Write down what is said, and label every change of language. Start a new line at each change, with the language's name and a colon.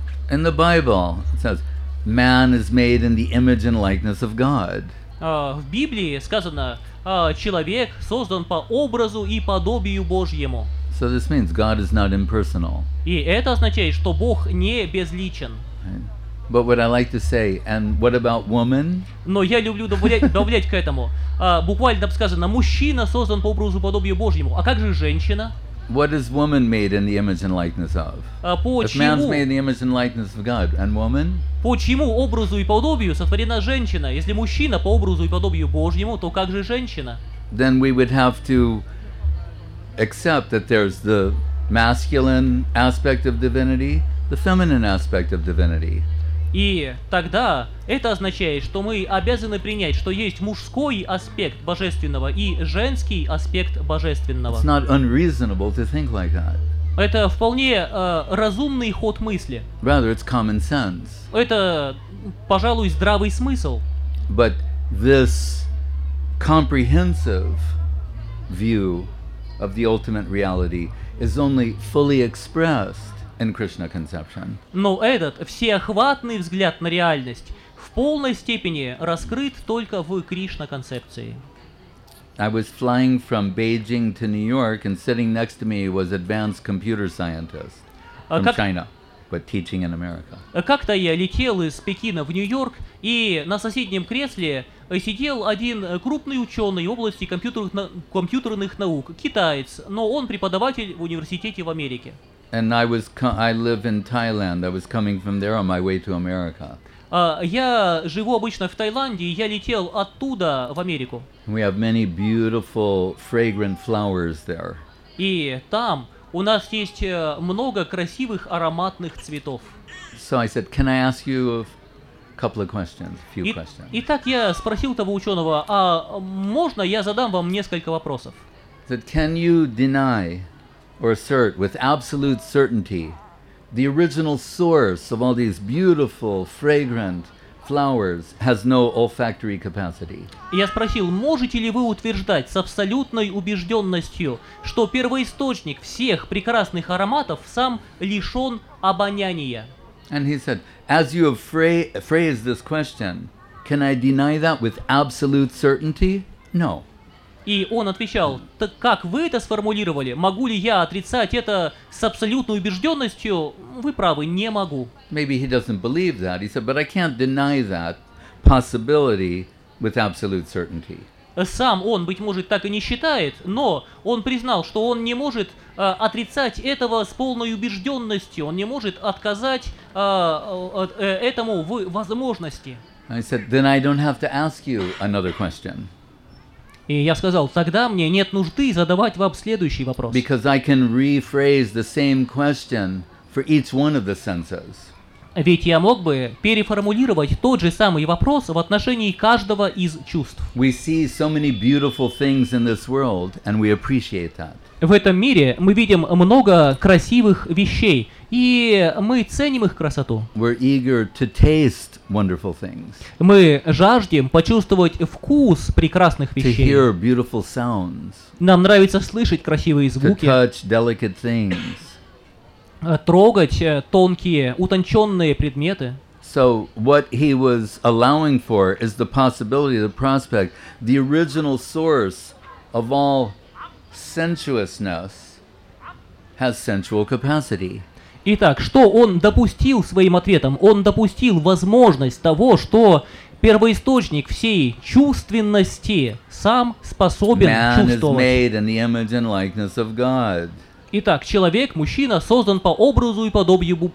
English: In the Bible it says man is made in the image and likeness of God.
Russian: В Библии сказано, человек создан по образу и подобию Божьему.
English: So this means God is not impersonal.
Russian: И это означает, что Бог не безличен.
English: But what I like to say, and what about woman?
Russian: Но я люблю добавлять к этому. Буквально там сказано, мужчина создан по образу и подобию Божьему. А как же женщина?
English: What is woman made in the image and likeness of?
Russian: Почему?
English: If man's made in the image and likeness of God, and woman?
Russian: Почему образу и подобию сотворена женщина? Если мужчина по образу и подобию Божьему, то как же женщина?
English: Then we would have to accept that there's the masculine aspect of divinity, the feminine aspect of divinity.
Russian: И тогда это означает, что мы обязаны принять, что есть мужской аспект божественного и женский аспект божественного.
English: It's not unreasonable to think like that.
Russian: Это вполне разумный ход мысли.
English: Rather, it's common sense.
Russian: Это, пожалуй, здравый смысл.
English: But this comprehensive view of the ultimate reality is only fully expressed in Krishna conception.
Russian: Но этот всеохватный взгляд на реальность в полной степени раскрыт только в Кришна концепции.
English: I was flying from Beijing to New York, and sitting next to me was advanced computer scientist from China, but teaching in America.
Russian: Как-то я летел из Пекина в Нью-Йорк, и на соседнем кресле сидел один крупный ученый в области компьютерных наук, китаец, но он преподаватель в университете в Америке.
English: And I live in Thailand. I was coming from there on my way to America.
Russian: Я живу обычно в Таиланде, и я летел оттуда в Америку.
English: We have many beautiful, fragrant flowers there.
Russian: И там у нас есть много красивых ароматных цветов.
English: So I said, can I ask you a couple of questions, a few questions?
Russian: Итак, я спросил того ученого, а можно я задам вам несколько вопросов?
English: I said, can you deny or assert with absolute certainty the original source of all these beautiful, fragrant flowers has no olfactory capacity?
Russian: Я спросил, можете ли вы утверждать с абсолютной убежденностью, что первоисточник всех прекрасных ароматов сам лишен обоняния?
English: And he said, as you have phrased this question, can I deny that with absolute certainty? No.
Russian: И он отвечал, так как вы это сформулировали, могу ли я отрицать это с абсолютной убежденностью? Вы правы, не могу.
English: Maybe he doesn't believe that. He said, but I can't deny that possibility with absolute certainty.
Russian: Сам он, быть может, так и не считает, но он признал, что он не может отрицать этого с полной убежденностью, он не может отказать этому в возможности.
English: I said, then I don't have to ask you another question.
Russian: И я сказал, тогда мне нет нужды задавать вам следующий вопрос.
English: Because I can rephrase the same question for each one of the senses.
Russian: Ведь я мог бы переформулировать тот же самый вопрос в отношении каждого из чувств.
English: We see so many beautiful things in this world, and we appreciate that.
Russian: В этом мире мы видим много красивых вещей, и мы ценим их красоту.
English: We're eager to taste wonderful things.
Russian: Мы жаждем почувствовать вкус прекрасных вещей.
English: To hear beautiful sounds.
Russian: Нам нравится слышать красивые звуки.
English: To touch delicate things.
Russian: Трогать тонкие, утонченные предметы.
English: So what he was allowing for is the possibility, the prospect, the original source of all sensuousness has sensual capacity.
Russian: Итак, что он допустил своим ответом? Он допустил возможность того, что первоисточник всей чувственности сам способен
English: Man
Russian: чувствовать.
English: Man is made in the image and likeness of God.
Russian: Итак, человек, мужчина, создан по образу и подобию